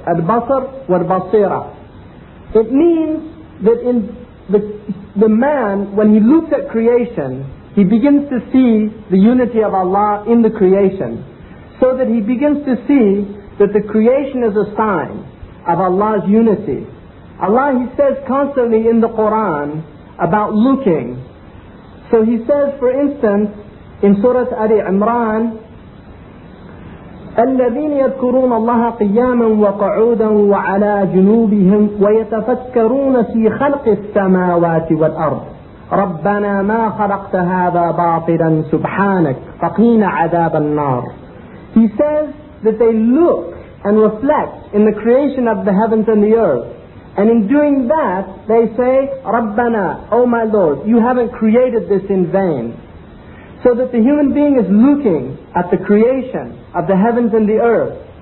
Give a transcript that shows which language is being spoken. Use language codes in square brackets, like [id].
[en] Al-basar wal-basira. It means that in the man, when he looks at creation, he begins to see the unity of Allah in the creation. So that he begins to see that the creation is a sign of Allah's unity. Allah, he says constantly in the Quran about looking. So he says, for instance, in Surah Ali Imran, [ar] الَّذِينَ يَذْكُرُونَ اللَّهَ قِيَامًا وَقَعُودًا وَعَلَىٰ جُنُوبِهِمْ وَيَتَفَكَّرُونَ فِي خَلْقِ السَّمَاوَاتِ وَالْأَرْضِ رَبَّنَا مَا خَلَقْتَ هَذَا بَاطِلًا سُبْحَانَكَ فَقِينَ عَذَابَ النَّارِ. [en] He says that they look and reflect in the creation of the heavens and the earth. And in doing that, they say, رَبَّنَا, O my Lord, you haven't created this in vain. So that the human being is looking at the creation of the heavens and the earth.